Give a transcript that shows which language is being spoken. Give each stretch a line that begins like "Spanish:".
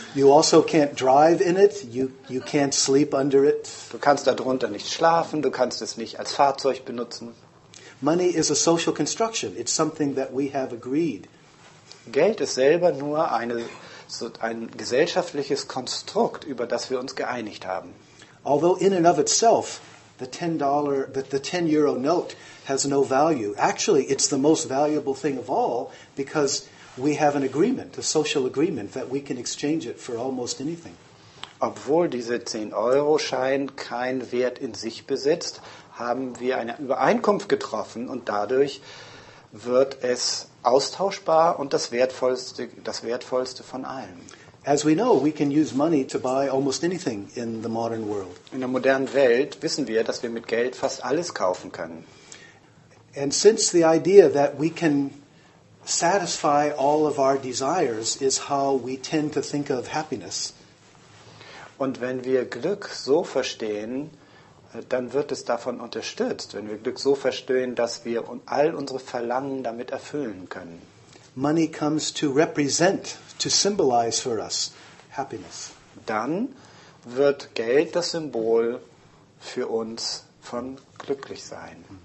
English: You also can't drive in it. You can't sleep under it.
German: Du kannst darunter nicht schlafen. Du kannst es nicht als Fahrzeug benutzen.
English: Money is a social construction. It's something that we have agreed.
German: Geld ist selber nur ein gesellschaftliches Konstrukt, über das wir uns geeinigt haben.
English: Although in and of itself, the €10 note has no value. Actually, it's the most valuable thing of all because we have an agreement, a social agreement, that we can exchange it for almost anything.
German: Obwohl dieser 10-Euro-Schein keinen Wert in sich besitzt, haben wir eine Übereinkunft getroffen und dadurch wird es austauschbar und das Wertvollste von allem.
English: As we know, we can use money to buy almost anything in the modern world.
German: In der modernen Welt wissen wir, dass wir mit Geld fast alles kaufen können.
English: And since the idea that we can satisfy all of our desires is how we tend to think of happiness.
German: Und wenn wir Glück so verstehen, dann wird es davon unterstützt, wenn wir Glück so verstehen, dass wir all unsere Verlangen damit erfüllen können.
English: Money comes to represent, to symbolize for us happiness.
German: Dann wird Geld das Symbol für uns von glücklich sein.